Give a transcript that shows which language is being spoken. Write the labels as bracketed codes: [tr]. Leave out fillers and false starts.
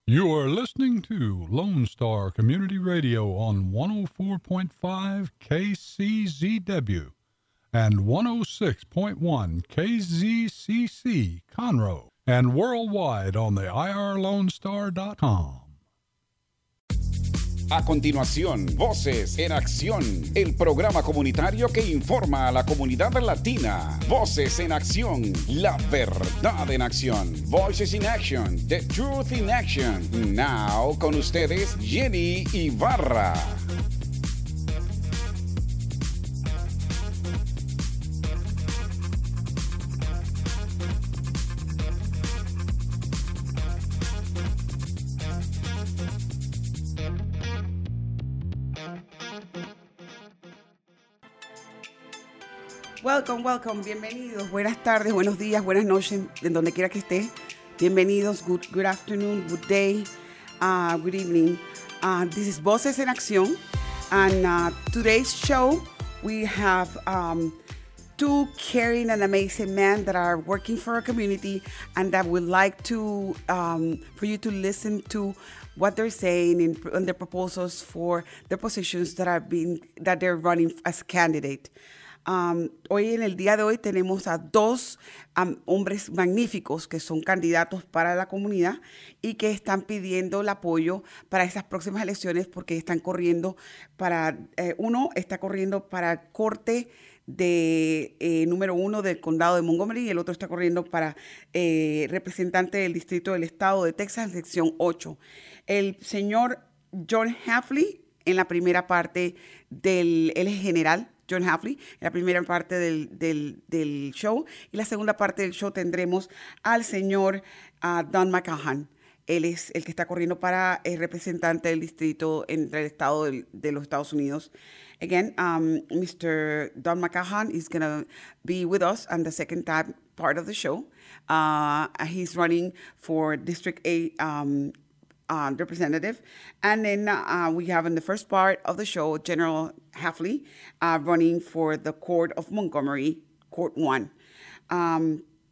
[en] You are listening to Lone Star Community Radio on 104.5 KCZW and 106.1 KZCC Conroe, and worldwide on the IRLoneStar.com. [es] A continuación, Voces en Acción, el programa comunitario que informa a la comunidad latina. Voces en Acción, la verdad en acción. [en] Voices in Action, the truth in action. Now, [es] con ustedes, [en] Jenny Ibarra. Welcome, welcome, [es] bienvenidos, buenas tardes, buenos días, buenas noches, en donde quiera que esté. [en] Bienvenidos, good afternoon, good day, good evening. This is Voces en Acción, and today's show we have two caring and amazing men that are working for our community and that would like to for you to listen to what they're saying and their proposals for the positions that have been that they're running as candidate. [es] Hoy en el día de hoy tenemos a dos hombres magníficos que son candidatos para la comunidad y que están pidiendo el apoyo para esas próximas elecciones porque están corriendo para, uno está corriendo para corte de número uno del condado de Montgomery y el otro está corriendo para representante del distrito del estado de Texas, sección 8. El señor John Hafley en la primera parte del, él es general, John Hafley, la primera parte del show. Y la segunda parte del show tendremos al señor Don Mckaughan. Él es el que está corriendo para el representante del distrito entre el estado de los Estados Unidos. [en] Again, Mr. Don Mckaughan is going to be with us on the second time part of the show. He's running for District 8 representative. And then we have in the first part of the show, General Hafley, running for the Court of Montgomery, Court 1.